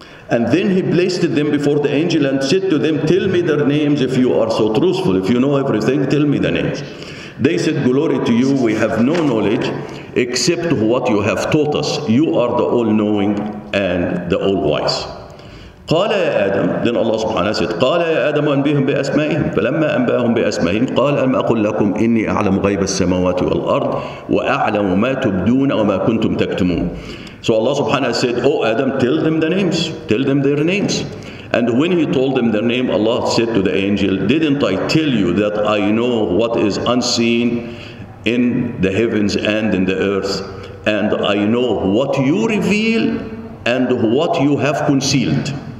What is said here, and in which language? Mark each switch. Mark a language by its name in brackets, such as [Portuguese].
[English] And then he placed them before the angel and said to them, tell me their names if you are so truthful. If you know everything, tell me the names. They said, glory to you, we have no knowledge except what you have taught us. You are the all-knowing and the all-wise. [Arabic] قال يا آدم, [English] then Allah subhanahu said, [Arabic] قال يا آدم أنبيهم بأسمائهم فلما أنبأهم بأسمائهم قال ألم أقل لكم إني أعلم غيب السماوات والأرض وأعلم ما تبدون وما كنتم تكتمون. [English] So Allah subhanahu said, oh Adam, tell them the names, tell them their names. And when he told them their name, Allah said to the angel, didn't I tell you that I know what is unseen in the heavens and in the earth, and I know what you reveal and what you have concealed.